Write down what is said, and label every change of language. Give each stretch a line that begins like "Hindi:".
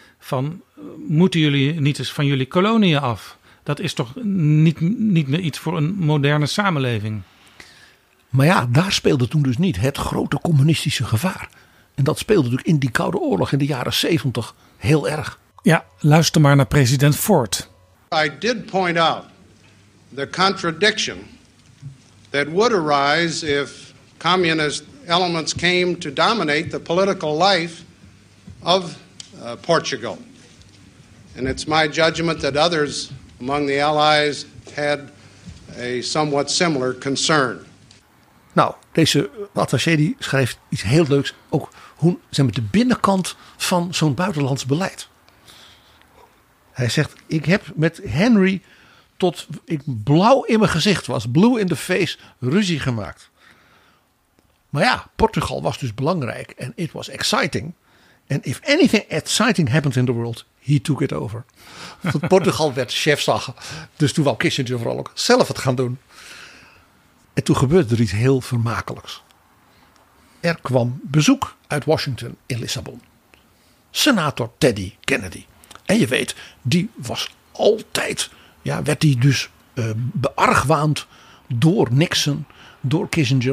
Dutch: Van, moeten jullie niet eens van jullie koloniën af? Dat is toch niet meer iets voor een moderne samenleving? Maar ja, daar speelde toen dus niet het grote communistische gevaar. En dat speelde natuurlijk in die Koude Oorlog in de jaren 70 heel erg. Ja, luister maar naar president Ford.
English: I did point out the contradiction that would arise if communist elements came to dominate the political life of Portugal. And it's my judgment that others among the allies had a somewhat similar concern.
Dutch: Nou, deze attaché die schrijft iets heel leuks. Ook hoe zijn we de binnenkant van zo'n buitenlands beleid. Hij zegt, ik heb met Henry tot ik blauw in mijn gezicht was,
English: blue in the face,
Dutch: ruzie gemaakt. Maar ja, Portugal was dus belangrijk en
English: it was exciting. And if anything exciting happens in the world, he took it over.
Dutch: Want Portugal werd chefzagen. Dus toen wou Kissinger vooral ook zelf het gaan doen. En toen gebeurde er iets heel vermakelijks. Er kwam bezoek uit Washington in Lissabon. Senator Teddy Kennedy. En je weet, die was altijd, ja, werd die dus beargwaand door Nixon, door Kissinger.